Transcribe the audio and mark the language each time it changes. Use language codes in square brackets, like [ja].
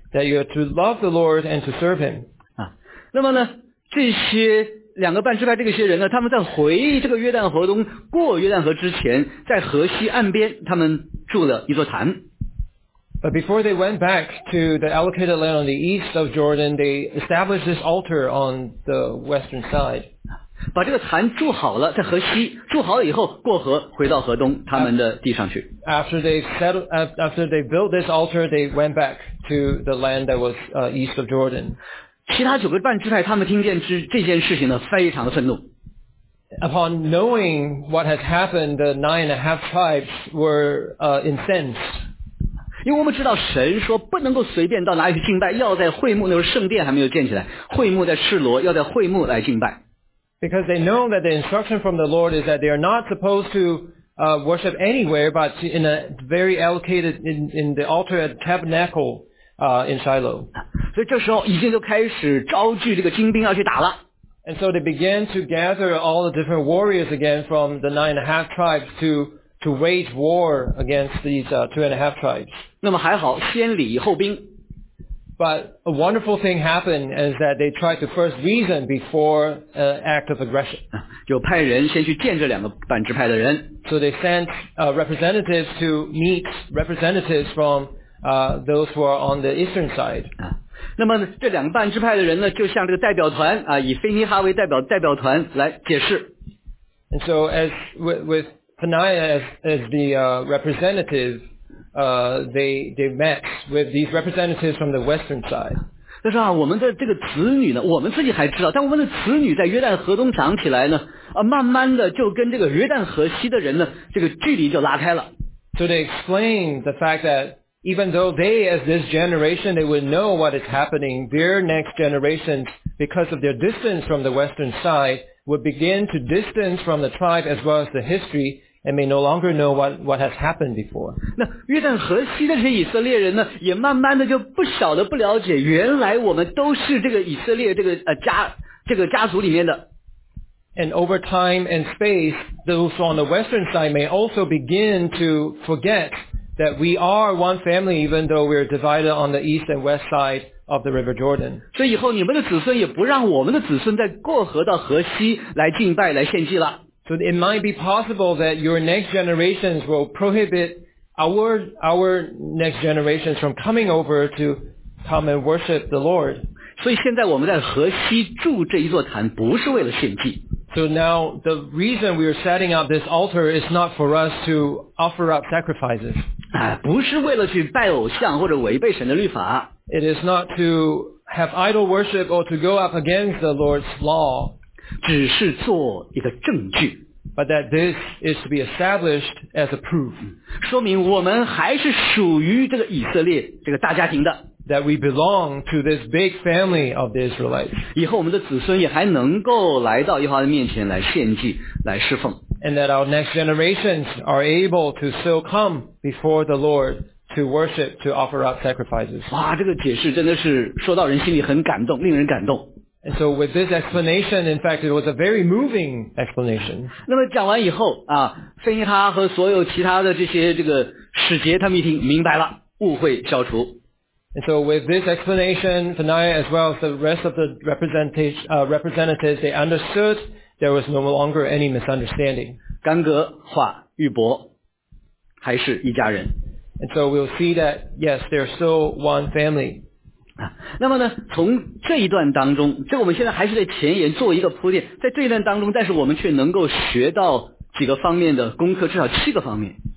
[en] That you are to love the Lord and to serve Him. [zh] 那么呢，这些两个半支派这些人呢，他们在回这个约旦河东过约旦河之前，在河西岸边，他们筑了一座坛。 [en] But before they went back to the allocated land on the east of Jordan, they established this altar on the western side. [zh] 把这个坛筑好了，在河西筑好了以后，过河回到河东他们的地上去。 [en] After they built this altar, they went back. To the land that was east of Jordan. [zh] 其他九个半支派他们听见这件事情呢，非常的愤怒。 [en] Upon knowing what has happened, the nine and a half tribes were incensed. [zh] 因为我们知道神说不能够随便到哪里去敬拜，要在会幕，那时候圣殿还没有建起来，会幕在示罗，要在会幕来敬拜。 [en] Because they know that the instruction from the Lord is that they are not supposed to. Worship anywhere, but in a very allocated in the altar at tabernacle, in Shiloh. [zh] 所以这时候已经都开始招聚这个精兵要去打了。 [en] And so they began to gather all the different warriors again from the nine and a half tribes to wage war against these two and a half tribes. [zh] 那么还好，先礼后兵。 [en] But a wonderful thing happened is that they tried to first reason before an act of aggression. [zh] 就派人先去见这两个半支派的人。 [en] So they sent representatives to meet representatives from those who are on the eastern side. [zh] 那么这两个半支派的人呢，就向这个代表团啊，以腓尼哈为代表团来解释。 [en] And so as with Phinehas as the representative,they met with these representatives from the western side. [zh] 但是啊，我们的这个子女呢，我们自己还知道，但我们的子女在约旦河东长起来呢，慢慢的就跟这个约旦河西的人呢，这个距离就拉开了。 [en] So they explain the fact that even though they, as this generation, they would know what is happening, their next generations, because of their distance from the western side, would begin to distance from the tribe as well as the history. And may no longer know what has happened before. [zh] 那约旦河西的这些以色列人呢，也慢慢的就不晓得不了解，原来我们都是这个以色列家族里面的。 [en] And over time and space, those on the western side may also begin to forget that we are one family, even though we are divided on the east and west side of the River Jordan. [zh] 所以以后你们的子孙也不让我们的子孙再过河到河西来敬拜来献祭了。 [en] So it might be possible that your next generations will prohibit our next generations from coming over to come and worship the Lord. [zh] So 现在我们在河西筑这一座坛不是为了献祭。 [en] So now the reason we are setting up this altar is not for us to offer up sacrifices. [zh] 不是为了去拜偶像或者违背神的律法。 [en] It is not to have idol worship or to go up against the Lord's law. [zh] 只是做一个证据。 [en] But that this is to be established as a proof. [zh] 说明我们还是属于这个以色列，这个大家庭的。 [en] That we belong to this big family of the Israelites. [zh] 以后我们的子孙也还能够来到耶和华的面前来献祭，来侍奉。 [en] And that our next generations are able to still come before the Lord to worship, to offer up sacrifices. [zh] 哇，这个解释真的是说到人心里很感动，令人感动。 [en] And so with this explanation, in fact, it was a very moving explanation. [zh] 那么讲完以后啊，菲尼哈和所有其他的这些这个使节他们一听明白了，误会消除。 [en] And so with this explanation, Phinehas as well as the rest of the representatives, they understood there was no longer any misunderstanding. [zh] 干戈化玉帛，还是一家人。 [en] And so we'll see that, yes, they're still one family. [zh] 那么呢，从这一段当中，这我们现在还是在前言做一个铺垫，在这一段当中，但是我们却能够学到几个方面的功课，至少七个方面。